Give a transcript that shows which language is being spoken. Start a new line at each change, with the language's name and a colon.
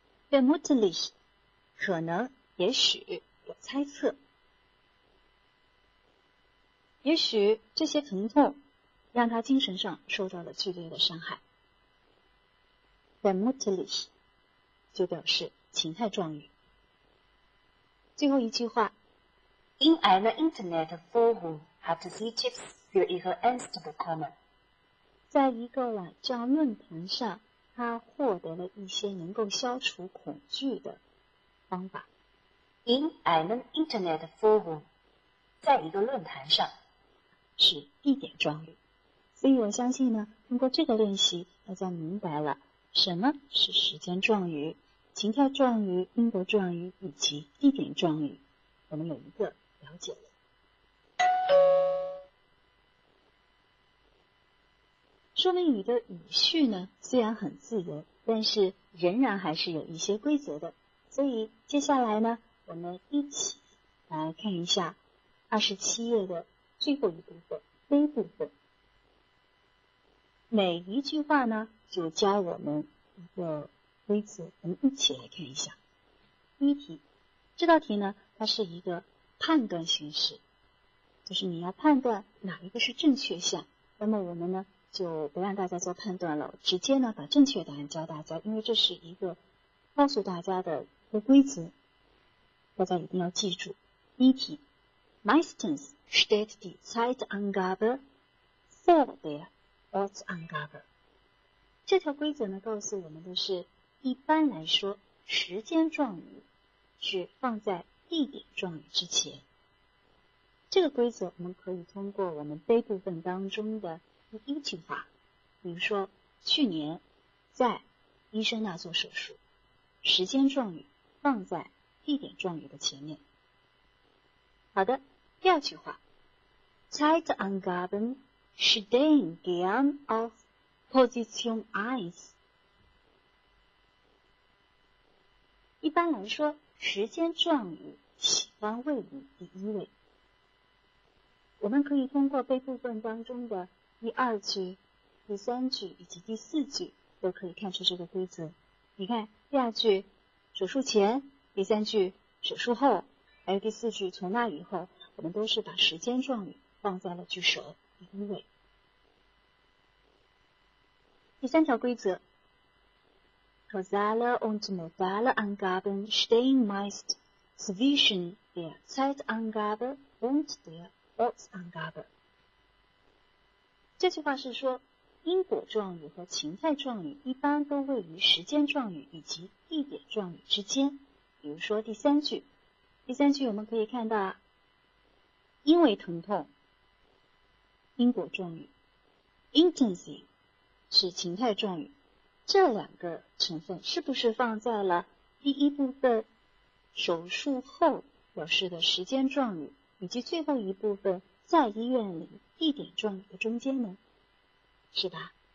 Chinese: Vermutlich 可能也许有猜测。也许这些疼痛让他精神上受到了剧烈的伤害。 Vermutlich 就表示情态状语。最后一句话
German: In einer Internetforum hat sie Tipps für ihre Angst bekommen。
Chinese: 在一个网站论坛上，他获得了一些能够消除恐惧的方法。
English: In an internet forum，
Chinese: 在一个论坛上，是地点状语。所以我相信呢，通过这个练习，大家明白了什么是时间状语，情调状语、音格状语以及地点状语，我们有一个了解了。说明语的语序呢，虽然很自由，但是仍然还是有一些规则的。所以接下来呢，我们一起来看一下27页的最后一部分 ,A 部分。每一句话呢，就教我们一个规则，我们一起来看一下。第一题，这道题呢，它是一个判断形式，就是你要判断哪一个是正确项，那么我们呢，就不让大家做判断了，直接呢把正确答案教大家，因为这是一个告诉大家的一个规则，大家一定要记住。第一题
German: ,Meistens steht die Zeitangabe vor der Ortsangabe。
Chinese: 这条规则呢告诉我们的是，一般来说时间状语是放在地点状语之前。这个规则我们可以通过我们 B 部分当中的第一句话，比如说去年在医生那做手术，时间状语放在地点状语的前面。好的，第二句话
German: Zeitangaben stehen gern auf Position 1。
Chinese: 一般来说时间状语喜欢位于第一位，我们可以通过 B 部分当中的第二句、第三句以及第四句都可以看出这个规则。你看第二句手术前，第三句手术后，还有第四句从那以后，我们都是把时间状语放在了句首第一位。第三条规则
German: Causale und modale Angaben stehen meist zwischen der Zeitangabe und der Ortsangabe。
Chinese: 这句话是说，因果状语和情态状语一般都位于时间状语以及地点状语之间。比如说第三句，第三句我们可以看到，因为疼痛，因果状语 ,intensive 是情态状语，这两个成分是不是放在了第一部分手术后表示的时间状语以及最后一部分在医院里地点状语的中间呢？是吧？